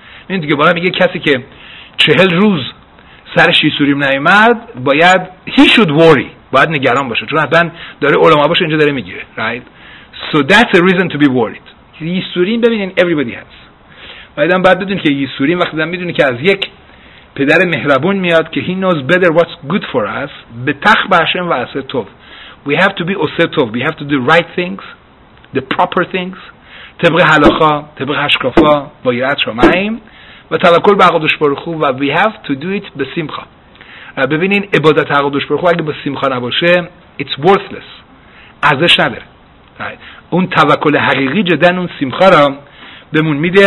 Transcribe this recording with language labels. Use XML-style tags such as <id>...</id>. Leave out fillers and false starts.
<fa>این دیگه بالا میگه کسی که 40 روز سر شیسوریم نیومد باید</fa> <en>he should worry،</en> <fa>باید نگران باشه، چون حتما داره علما باشه اینجا داره میگیره، right?</fa> <en>So that's a reason to be worried.</en> <fa>شیسوریم ببینین</fa> <en>everybody has.</en> <fa>بعدم بعد بدون که شیسوریم وقتی دم میدونه که از یک پدر مهربون میاد که</fa> <en>he knows better what's good for us،</en> <fa>به تخ باشیم و اصل تو.</fa> <en>We have to be assertive. We have to do right things, the proper things.</en> <fa>طبق حلاخا، طبق هشکافا، با یرت شمعیم و توکل به عقادش برخو و</fa> <en>we have to do it</en> <fa>به سیمخا. ببینین عبادت عقادش برخو اگه به سیمخا نباشه</fa> <en>it's worthless.</en> <fa>ارزش نداره. اون توکل حقیقی جدن اون سیمخا را بمون میده.</fa>